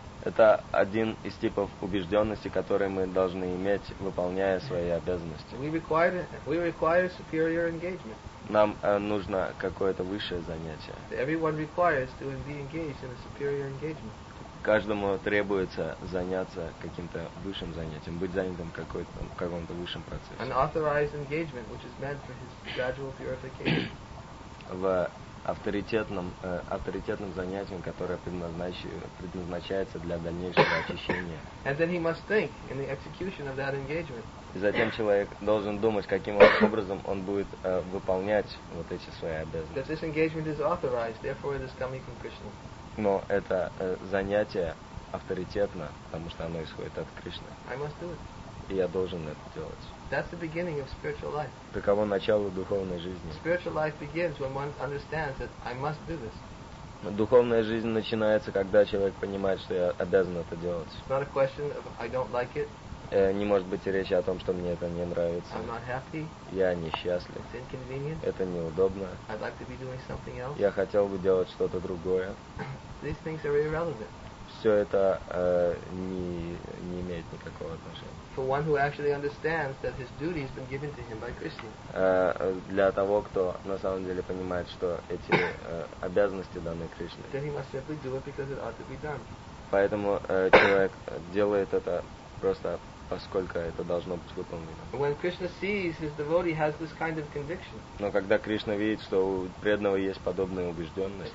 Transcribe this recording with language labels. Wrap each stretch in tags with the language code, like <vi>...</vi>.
<ru>Это один из типов убежденности, которые мы должны иметь, выполняя свои обязанности.</ru> <en>We require superior engagement.</en> <ru>Нам нужно какое-то высшее занятие.</ru> <en>Everyone requires to be engaged in a superior engagement.</en> <ru>Каждому требуется заняться каким-то высшим занятием, быть занятым в каком-то высшем процессе.</ru> <en>An authorized engagement, which is meant for his gradual purification.</en> <ru>В авторитетном занятии, которое предназначается для дальнейшего очищения.</ru> <en>And then he must think in the execution of that engagement.</en> <ru>И затем человек должен думать, каким образом он будет выполнять вот эти свои обязанности.</ru> <en>That this engagement is authorized, therefore it is coming from Krishna.</en> <ru>Но это занятие авторитетно, потому что оно исходит от Кришны.</ru> <en>I must do it.</en> <ru>И я должен это делать.</ru> <en>That's the beginning of spiritual life.</en> <ru>Таково начало духовной жизни.</ru> <en>Spiritual life begins when one understands that I must do this.</en> <ru>Духовная жизнь начинается, когда человек понимает, что я обязан это делать.</ru> <en>It's not a question of I don't like it.</en> <ru>Не может быть речи о том, что мне это не нравится.</ru> <en>I'm not happy.</en> <ru>Я несчастлив.</ru> <en>It's inconvenient.</en> <ru>Это неудобно.</ru> <en>I'd like to be doing something else.</en> <ru>Я хотел бы делать что-то другое.</ru> <en>These things are irrelevant.</en> <ru>Все это не имеет никакого отношения.</ru> <en>For one who actually understands that his duty has been given to him by Krishna.</en> <ru>Для того, кто на самом деле понимает, что эти обязанности даны Кришне.</ru> <en>Then he must simply do it because it ought to be done.</en> <ru>Поэтому человек делает это просто поскольку это должно быть выполнено.</ru> <en>When Krishna sees his devotee has this kind of conviction.</en> <ru>Но когда Кришна видит, что у преданного есть подобная убежденность.</ru>